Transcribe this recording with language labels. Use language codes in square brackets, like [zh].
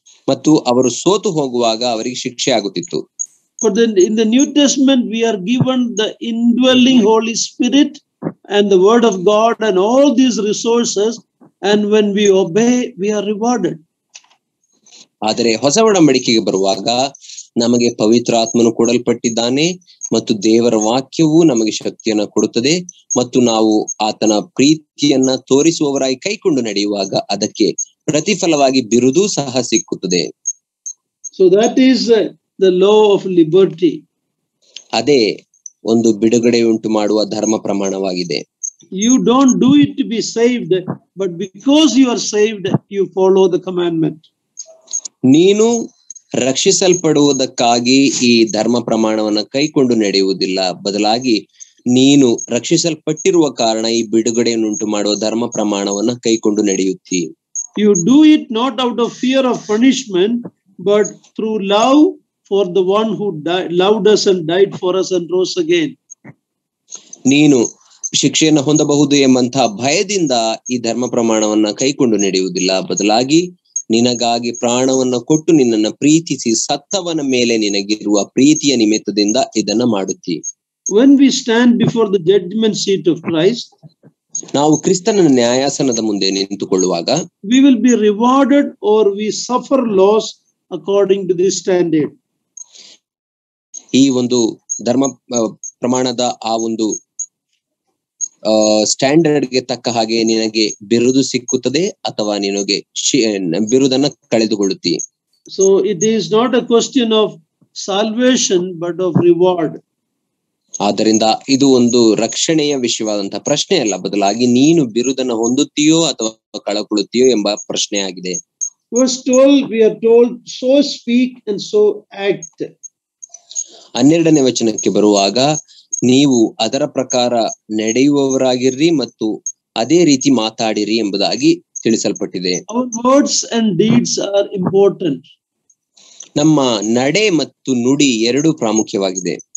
[kn] ಮತ್ತು ಅವರು ಸೋತು ಹೋಗುವಾಗ ಅವರಿಗೆ ಶಿಕ್ಷೆ ಆಗುತ್ತಿತ್ತು. [en] But then in the New Testament, we are given the indwelling Holy Spirit and the Word of God and all these resources. And when we obey, we are rewarded. [kn] ಆದರೆ ಹೊಸ ಒಡಂಬಡಿಕೆಗೆ ಬರುವಾಗ ನಮಗೆ ಪವಿತ್ರಾತ್ಮನು ಕೊಡಲ್ಪಟ್ಟಿದ್ದಾನೆ ಮತ್ತು ದೇವರ ವಾಕ್ಯವು ನಮಗೆ ಶಕ್ತಿಯನ್ನು ಕೊಡುತ್ತದೆ ಮತ್ತು ನಾವು ಆತನ ಪ್ರೀತಿಯನ್ನ ತೋರಿಸುವವರಾಗಿ ಕೈಕೊಂಡು ನಡೆಯುವಾಗ ಅದಕ್ಕೆ ಪ್ರತಿಫಲವಾಗಿ ಬಿರುದು ಸಹ ಸಿಕ್ಕುತ್ತದೆ. [en] So that is the law of liberty. [kn] ಅದೇ ಒಂದು ಬಿಡುಗಡೆ ಉಂಟು ಮಾಡುವ ಧರ್ಮ ಪ್ರಮಾಣವಾಗಿದೆ. [en] You don't do it to be saved, but because you are saved, you follow the commandment. [kn] ನೀನು ರಕ್ಷಿಸಲ್ಪಡುವುದಕ್ಕಾಗಿ ಈ ಧರ್ಮ ಪ್ರಮಾಣವನ್ನು ಕೈಕೊಂಡು ನಡೆಯುವುದಿಲ್ಲ, ಬದಲಾಗಿ ನೀನು ರಕ್ಷಿಸಲ್ಪಟ್ಟಿರುವ ಕಾರಣ ಈ ಬಿಡುಗಡೆಯನ್ನು ಉಂಟು ಮಾಡುವ ಧರ್ಮ ಪ್ರಮಾಣವನ್ನು ಕೈಕೊಂಡು ನಡೆಯುತ್ತಿ. [en] You do it not out of fear of punishment, but through love for the one who loved us and died for us and rose again. [kn] ನೀನು ಶಿಕ್ಷೆಯನ್ನು ಹೊಂದಬಹುದು ಎಂಬಂತಹ ಭಯದಿಂದ ಈ ಧರ್ಮ ಪ್ರಮಾಣವನ್ನು ಕೈಕೊಂಡು ನಡೆಯುವುದಿಲ್ಲ, ಬದಲಾಗಿ ನಿನಗಾಗಿ ಪ್ರಾಣವನ್ನು ಕೊಟ್ಟು ನಿನ್ನನ್ನು ಪ್ರೀತಿಸಿ ಸತ್ತವನ ಮೇಲೆ ನಿನಗಿರುವ ಪ್ರೀತಿಯ ನಿಮಿತ್ತದಿಂದ ಇದನ್ನ ಮಾಡುತ್ತಿ. [en] When we stand before the judgment seat of Christ, [kn] ನಾವು ಕ್ರಿಸ್ತನ ನ್ಯಾಯಾಸನದ ಮುಂದೆ ನಿಂತುಕೊಳ್ಳುವಾಗ, [en] we will be rewarded or we suffer loss according to this standard. [kn] ಈ ಒಂದು ಧರ್ಮ ಪ್ರಮಾಣದ ಆ ಒಂದು ಸ್ಟ್ಯಾಂಡರ್ಡ್ ಗೆ ತಕ್ಕ ಹಾಗೆ ನಿನಗೆ ಬಿರುದು ಸಿಕ್ಕುತ್ತದೆ ಅಥವಾ ನಿನಗೆ ಬಿರುದನ್ನ ಕಳೆದುಕೊಳ್ಳುತ್ತಿ. [en] So it is not a question of salvation but of reward. [kn] ಆದ್ದರಿಂದ ಇದು ಒಂದು ರಕ್ಷಣೆಯ ವಿಷಯವಾದಂತಹ ಪ್ರಶ್ನೆ ಅಲ್ಲ, ಬದಲಾಗಿ ನೀನು ಬಿರುದನ್ನ ಹೊಂದುತ್ತೀಯೋ ಅಥವಾ ಕಳೆದುಕೊಳ್ಳುತ್ತೀಯೋ ಎಂಬ ಪ್ರಶ್ನೆ ಆಗಿದೆ. [en] Verse 12, we are told, so speak and so act. [kn] 12ನೇ ವಚನಕ್ಕೆ ಬರುವಾಗ, ನೀವು ಅದರ ಪ್ರಕಾರ ನಡೆಯುವವರಾಗಿರ್ರಿ ಮತ್ತು ಅದೇ ರೀತಿ ಮಾತಾಡಿರಿ ಎಂಬುದಾಗಿ ತಿಳಿಸಲ್ಪಟ್ಟಿದೆ. [en] Our words and deeds are important. [kn] ನಮ್ಮ ನಡೆ ಮತ್ತು ನುಡಿ ಎರಡೂ ಪ್ರಾಮುಖ್ಯವಾಗಿದೆ.